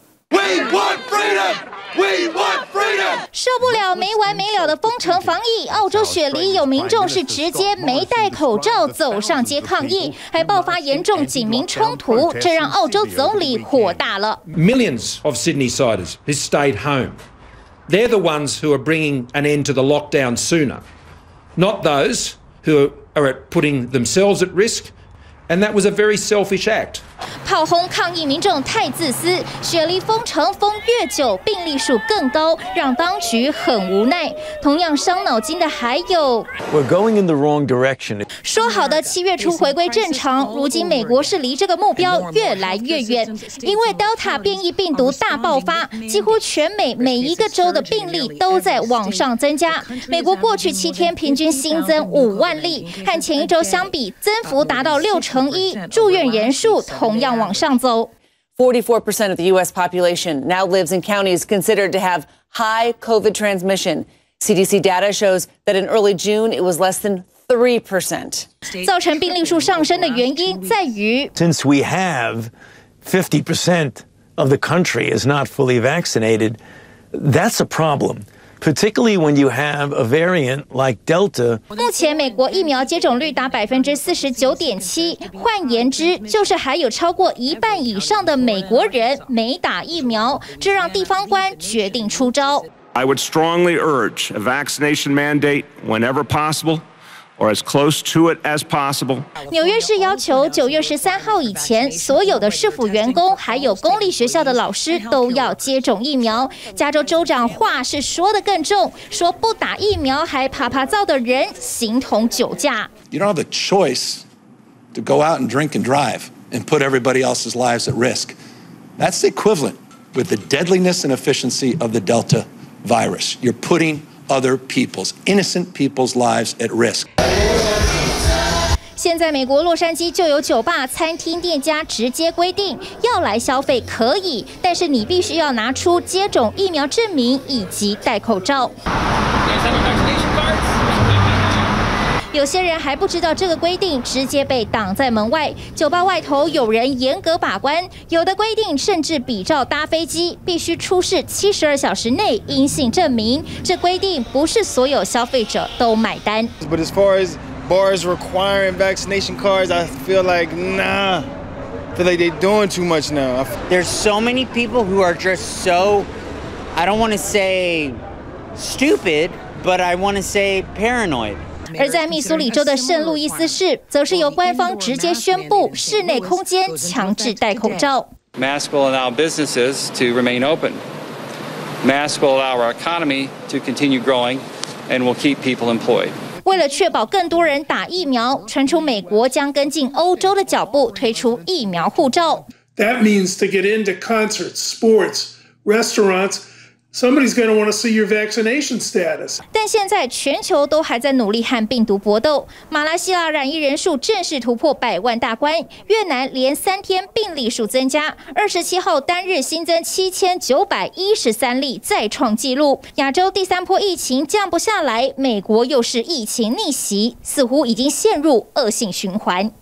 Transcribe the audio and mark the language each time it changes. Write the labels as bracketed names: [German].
[English] We want freedom! We want freedom! [Chinese] 受不了没完没了的封城防疫，澳洲雪梨有民众是直接没戴口罩走上街抗议，还爆发严重警民冲突，这让澳洲总理火大了。 [English] Millions of Sydneysiders who stayed home, they're the ones who are bringing an end to the lockdown sooner, not those who are putting themselves at risk. And that was a very selfish act. [Chinese] 炮轰抗议民众太自私，雪梨封城封越久，病例数更高，让当局很无奈。同样伤脑筋的还有。 [English] We're going in the wrong direction. [Chinese] 说好的7月初回归正常，如今美国是离这个目标越来越远。因为 Delta 变异病毒大爆发，几乎全美每一个州的病例都在往上增加。美国过去7天平均新增5万例，和前一周相比，增幅达到6.1%，住院人数同样往上走。 [English] 44% of the U.S. population now lives in counties considered to have high COVID transmission. CDC data shows that in early June it was less than 3%. [Chinese] 造成病例数上升的原因在于 [English] ，Since we have 50% of the country is not fully vaccinated, that's a problem. Particularly when you have a variant like Delta. [Chinese] 目前美国疫苗接种率达49.7%，换言之，就是还有超过一半以上的美国人没打疫苗，这让地方官决定出招。 [English] I would strongly urge a vaccination mandate whenever possible, or as close to it as possible. [Chinese] 纽约市要求9月13号以前，所有的市府员工还有公立学校的老师都要接种疫苗。加州州长话是说得更重，说不打疫苗还啪啪噪的人形同酒驾。 [English] You don't have a choice to go out and drink and drive and put everybody else's lives at risk. That's the equivalent with the deadliness and efficiency of the Delta virus. You're putting other people's, innocent people's lives at risk. [Chinese] 现在美国洛杉矶就有酒吧、餐厅店家直接规定，要来消费可以，但是你必须要拿出接种疫苗证明以及戴口罩。有些人还不知道这个规定，直接被挡在门外。酒吧外头有人严格把关，有的规定甚至比照搭飞机，必须出示72小时内阴性证明。这规定不是所有消费者都买单。 [English] But as far as bars requiring vaccination cards, I feel like nah, I feel like they're doing too much now. There's so many people who are just so, I don't want to say stupid, but I want to say paranoid. [Chinese] 而在密苏里州的圣路易斯市，则是由官方直接宣布室内空间强制戴口罩。 [English] Masks will allow businesses to remain open. Masks will allow our economy to continue growing, and will keep people employed. [Chinese] 为了确保更多人打疫苗，传出美国将跟进欧洲的脚步，推出疫苗护照。 [English] That means to get into concerts, sports, restaurants. Somebody's going to want to see your vaccination status. [Chinese] 但现在全球都还在努力和病毒搏斗。马来西亚染疫人数正式突破百万大关，越南连三天病例数增加，27号单日新增7913例，再创纪录。亚洲第三波疫情降不下来，美国又是疫情逆袭，似乎已经陷入恶性循环。